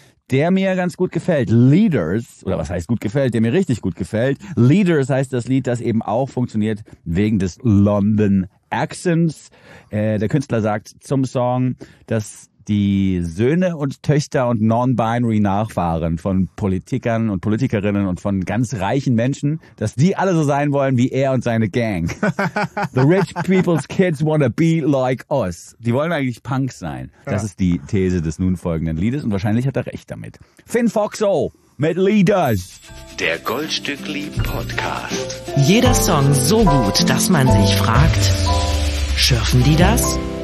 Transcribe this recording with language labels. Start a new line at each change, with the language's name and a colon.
German: der mir ganz gut gefällt, Leaders, oder was heißt gut gefällt, der mir richtig gut gefällt, Leaders heißt das Lied, das eben auch funktioniert wegen des London Accents. Der Künstler sagt zum Song, dass die Söhne und Töchter und Non-Binary Nachfahren von Politikern und Politikerinnen und von ganz reichen Menschen, dass die alle so sein wollen wie er und seine Gang.
English: The rich people's kids wanna be like us.
German: Die wollen eigentlich Punks sein. Das ist die These des nun folgenden Liedes und wahrscheinlich hat er recht damit. Finn Foxo mit Leaders. Der Goldstückli Podcast. Jeder Song so gut, dass man sich fragt, schürfen die das?